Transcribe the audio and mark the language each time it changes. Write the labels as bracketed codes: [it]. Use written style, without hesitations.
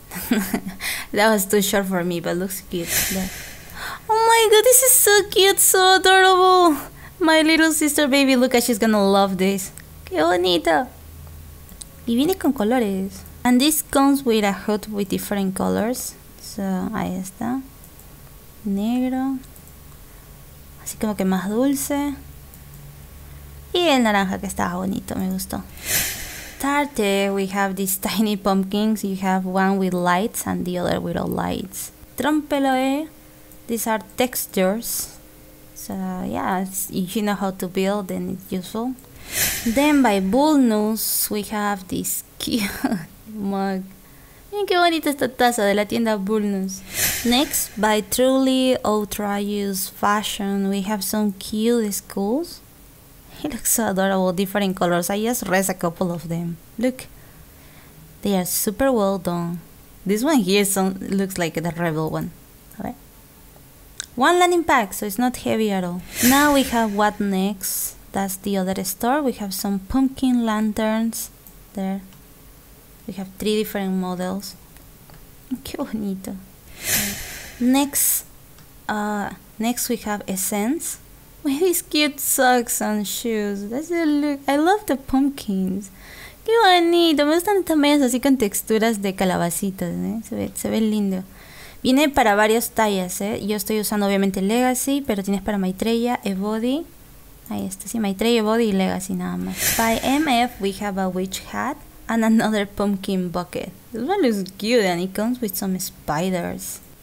[en] That was too short for me, but looks cute, there. Oh my god, this is so cute, so adorable. My little sister baby, look at, she's gonna love this. [es] Qué bonito. Y viene con colores. [en] And this comes with a hood with different colors. [es] So, ahí está. Negro, así como que más dulce, y el naranja que estaba bonito, me gustó. [en] Tarte, we have these tiny pumpkins. You have one with lights and the other without lights. Trompeloe, these are textures, so yeah, if you know how to build, then it's useful. Then by Bullnose, we have this cute mug. [es] Miren qué bonita esta taza de la tienda Bullnose. [en] Next, by Truly Ultra Use Fashion, we have some cute skulls. It looks so adorable, different colors. I just rest a couple of them. Look. They are super well done. This one here looks like the rebel one. One landing pack, so it's not heavy at all. Now we have what next? That's the other store. We have some pumpkin lanterns there. We have three different models. [es] Qué bonito. [en] Next we have Essence. With these cute socks and shoes. That's the look. I love the pumpkins. [es] Qué bonito. Me gustan también así con texturas de calabacitas, ¿eh? Se ve lindo. Viene para varias tallas, ¿eh? Yo estoy usando obviamente Legacy, pero tienes para Maitreya, Ebody. Ahí está, sí, Maitreya, Ebody y Legacy nada más. [en] By MF, we have a witch hat and another pumpkin bucket. This one looks cute and it comes with some spiders.